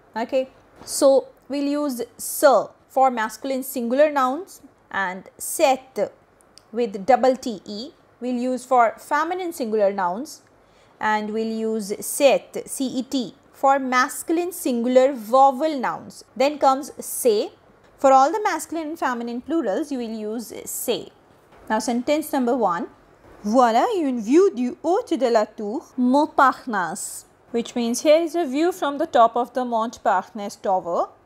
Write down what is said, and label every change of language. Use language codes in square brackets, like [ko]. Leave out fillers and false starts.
[en] Okay, so we'll use sir for masculine singular nouns, and set with double te we'll use for feminine singular nouns, and we'll use set, cet, for masculine singular vowel nouns. Then comes say. For all the masculine and feminine plurals, you will use say. Now, sentence number one. [fr] Voilà une vue du haut de la tour Montparnasse. [en] Which means, here is a view from the top of the Montparnasse tower.